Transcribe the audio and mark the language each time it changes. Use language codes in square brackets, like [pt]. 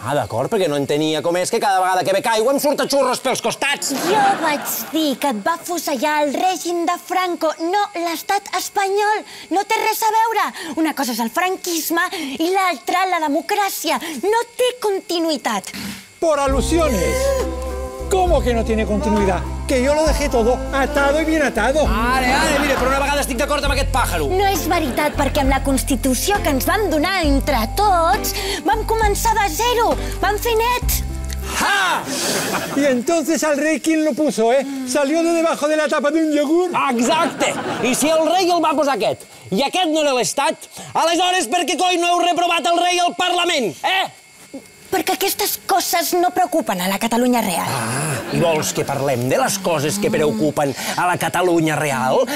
[ca] Ah, d'acord, perquè no entenia com és que cada vegada que ve caigua em surten xurros pels costats. Jo vaig dir que et va afusellar el règim de Franco, no l'Estat espanyol. No té res a veure. Una cosa és el franquisme i l'altra la democràcia. No té continuïtat. [es] Por alusiones. ¿Cómo que no tiene continuidad? Que yo lo dejé todo atado y bien atado. [ca] Ale, ale, mire, però una vegada estic d'acord amb aquest pàjaro. No és veritat, perquè amb la Constitució que ens vam donar entre tots, vam començar de zero, vam fer net. ¡Ja! [es] Y entonces al rey quién lo puso, ¿eh? ¿Salió de debajo de la tapa de un yogur? [ca] Exacte! I si el rei el va posar aquest, i aquest no era l'Estat, aleshores per què coi no heu reprovat el rei al Parlament, eh? Perquè aquestes coses no preocupen a la Catalunya real. Ah, i vols que parlem de les coses que preocupen a la Catalunya real?